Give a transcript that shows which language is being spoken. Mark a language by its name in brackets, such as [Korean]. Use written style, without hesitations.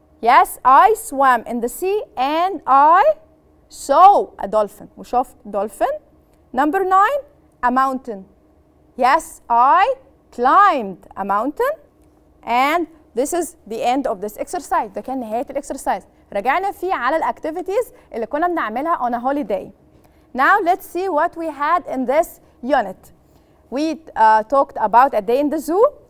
[English] Yes, I swam in the sea and I saw a dolphin. وشفت dolphin. Number nine, a mountain. Yes, I climbed a mountain. And this is the end of this exercise. [Arabic] ده كان نهاية الاكسرسايز. رجعنا فيه على الاكتيفيتيز اللي كنا بنعملها [English] on a holiday. Now let's see what we had in this unit. We talked about a day in the zoo.